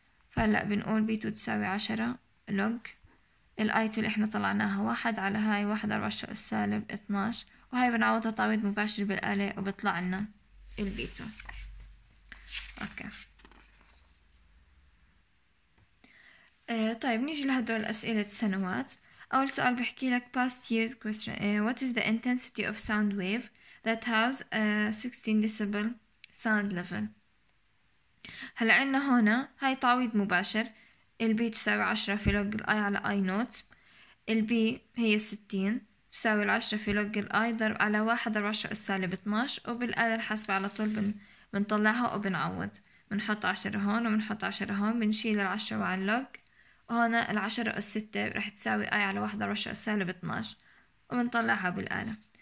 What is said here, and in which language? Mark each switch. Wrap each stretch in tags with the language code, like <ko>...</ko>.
<ar>فهلأ بنقول بي 2 تساوي 10 log الآي 2 اللي إحنا طلعناها 1/10 أس سالب 12، وهي بنعوضها تعويض مباشر بالآلة وبيطلع لنا البي 2. اوكي. طيب نيجي لهدول اسئله السنوات. اول سؤال بحكي لك</ar> <en>past years question what is the intensity of sound wave that has a 16 decibel sound level.</en> <ar>هلا عندنا هنا هاي تعويض مباشر، البي تساوي 10 في لوج الاي على اي نوت، البي هي 60 تساوي 10 في لوج الاي ضرب على 1/4 أس سالب 12، وبالآلة الحاسبة على طول بنطلعها وبنعوض، بنحط 10 هون وبنحط 10 هون، بنشيل 10 مع اللوج، وهنا 10 أس 6 رح تساوي آي على 1/4 أس سالب 12، وبنطلعها بالآلة.</ar>